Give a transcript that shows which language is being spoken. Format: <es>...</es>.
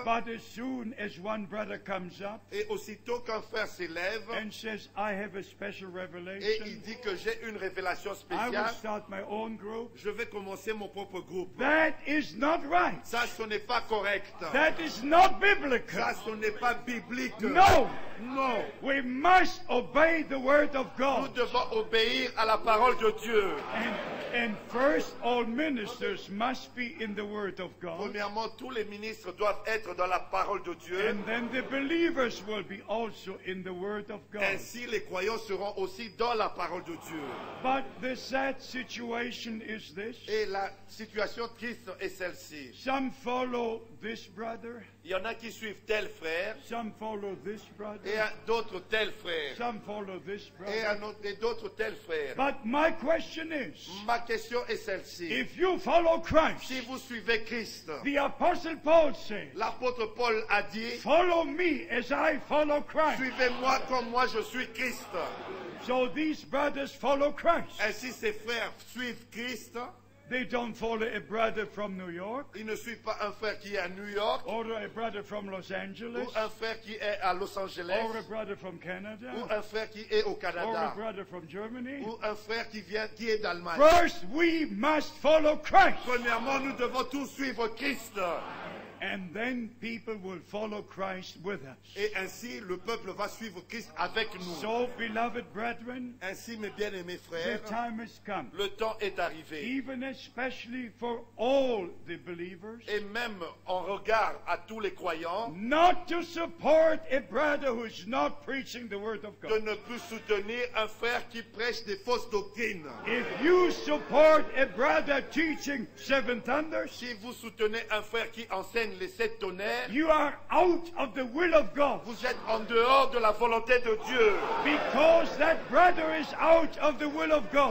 <en>But as soon as one brother comes up,</en> <fr>et aussitôt qu'un frère s'élève,</fr> <en>and says, I have a special revelation,</en> <fr>et il dit que j'ai une révélation spéciale,</fr> <en>I will start my own group,</en> <fr>je vais commencer mon propre groupe.</fr> <en>That is not right.</en> <fr>Ça, ce n'est pas correct.</fr> <en>That is not biblical.</en> <fr>Ça, ce n'est pas biblique.</fr> <en>No. No. We must obey the word of God.</en> <fr>Nous devons obéir à la parole de Dieu.</fr> <en>And first, all ministers must be in the word of God.</en> <fr>Premièrement, tous les ministres doivent être dans la parole de Dieu.</fr> <en>And then the believers will be also in the word of God.</en> <fr>Ainsi, les croyants seront aussi dans la parole de Dieu.</fr> <en>But the sad situation is this.</en> <fr>Et la situation triste est celle-ci.</fr> <en>Some follow this brother.</en> <fr>Il y en a qui suivent tel frère.</fr> <en>Some follow this brother.</en> <fr>Et d'autres tel frère.</fr> <en>Some follow this brother.</en> <fr>Et d'autres tel frère.</fr> <en>But my question is,</en> <fr>ma question est celle-ci.</fr> <en>If you follow Christ,</en> <fr>si vous suivez Christ,</fr> <en>the Apostle Paul said,</en> <fr>l'apôtre Paul a dit,</fr> <en>follow me as I follow Christ.</en> <fr>Suivez-moi comme moi je suis Christ.</fr> <en>So these brothers follow Christ.</en> <fr>Ainsi ces frères suivent Christ.</fr> <en>They don't follow a brother from New York.</en> <fr>Ils ne suivent pas un frère qui est à New York.</fr> <en>Or a brother from Los Angeles.</en> <fr>Ou un frère qui est à Los Angeles.</fr> <en>Or a brother from Canada.</en> <fr>Ou un frère qui est au Canada.</fr> <en>Or a brother from Germany.</en> <fr>Ou un frère qui est d'Allemagne.</fr> <en>First, we must follow Christ.</en> <fr>Premièrement, nous devons tous suivre Christ.</fr> <en>And then people will follow Christ with us.</en> <fr>Et ainsi le peuple va suivre Christ avec nous.</fr> <en>So, beloved brethren,</en> <fr>ainsi mes bien-aimés frères,</fr> <en>the time has come.</en> <fr>Le temps est arrivé.</fr> <en>Even especially for all the believers.</en> <fr>Et même en regard à tous les croyants.</fr> <en>Not to support a brother who is not preaching the word of God.</en> <fr>De ne plus soutenir un frère qui prêche des fausses doctrines.</fr> <en>If you support a brother teaching seven thunders,</en> <fr>si vous soutenez un frère qui enseigne les sept tonnerres,</fr> <en>you are out of the will of God.</en> <fr>Vous êtes en dehors de la volonté de Dieu.</fr> <en>Because that brother is out of the will of God.</en>